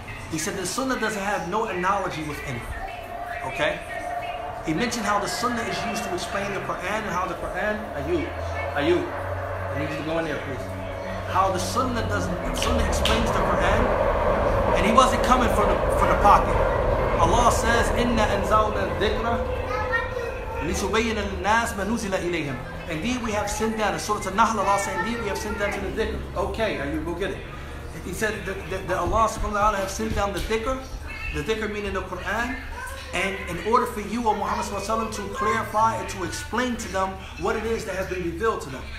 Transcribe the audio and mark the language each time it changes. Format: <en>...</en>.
<en>He said the sunnah doesn't have no analogy within it. Okay? He mentioned how the sunnah is used to explain the Quran and how the Quran, I need you to go in there, please. How the sunnah explains the Quran, and he wasn't coming from the pocket.</en> <ar>Allah says, إِنَّا أَنْزَلْنَا الذِّكْرَ لِتُبَيِّنَ النَّاسِ مَا نُزِلَ إِلَيْهِمْ.</ar> <en>Indeed, we have sinned down. In Surah An-Nahl, Allah says, indeed, we have sinned down to the dhikr. Okay, you go get it. He said that Allah subhanahu wa ta'ala have sent down the dhikr meaning the Quran, and in order for you, O Muhammad sallallahu alayhi wa sallam, to clarify and to explain to them what it is that has been revealed to them.</en>